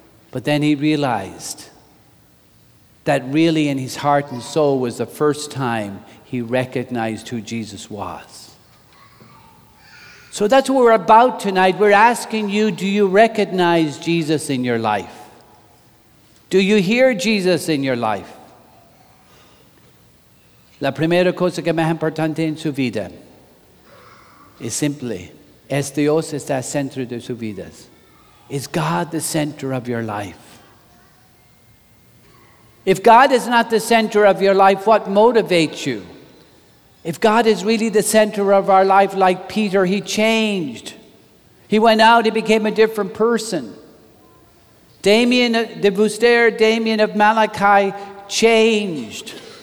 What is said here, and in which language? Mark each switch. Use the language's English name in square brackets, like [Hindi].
[English] But then he realized that really in his heart and soul was the first time he recognized who Jesus was. So that's what we're about tonight. We're asking you, do you recognize Jesus in your life? Do you hear Jesus in your life? [Spanish] La primera cosa que más importante en su vida [English] is simply, [Spanish] es Dios está centro de su vida. [English] Is God the center of your life? If God is not the center of your life, what motivates you? If God is really the center of our life, like Peter, he changed. He went out, he became a different person. Damien de Vuster, Damien of Malachi, changed.